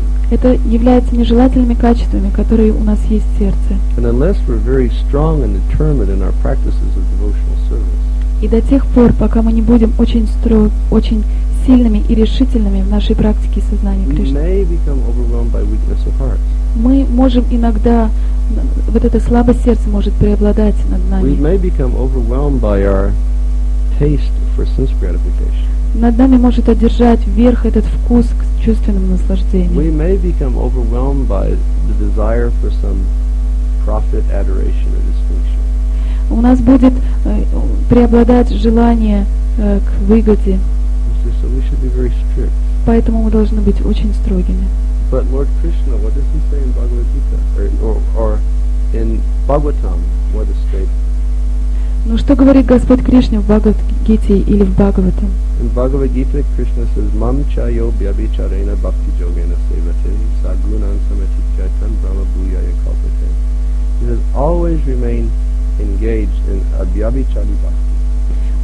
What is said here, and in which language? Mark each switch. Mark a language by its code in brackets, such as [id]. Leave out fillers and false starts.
[ru] Это являются нежелательными качествами, которые у нас есть в сердце. [en] And unless we're very strong and determined in our practices of devotional service. [ru] И до тех пор, пока мы не будем очень сильными и решительными в нашей практике сознания Кришны, [en] we may become overwhelmed by weakness of heart. [ru] Мы можем иногда, вот эта слабость сердца может преобладать над нами. [en] We may become overwhelmed by our taste for sense gratification. [ru] Над нами может одержать верх этот вкус к чувственным наслаждениям. [en] We may become overwhelmed by the desire for some profit, adoration, or distinction. [ru] У нас будет преобладать желание к выгоде. [en] So we should be very strict. [ru] Поэтому мы должны быть очень строгими. [en] But Lord Krishna, what does he say in Bhagavad Gita, or in Bhagavatam, what is stated? [ru] Ну что говорит Господь Кришна в Бхагавад-гите или в Бхагаватам? [en] In Bhagavad-gita Krishna says [sa] mam cha yo vyabhicharena bhakti yogena sevate sagunam samachityatam brahma bhuyaya kalpate. [en] He says always remain engaged in abhyabhichari bhakti.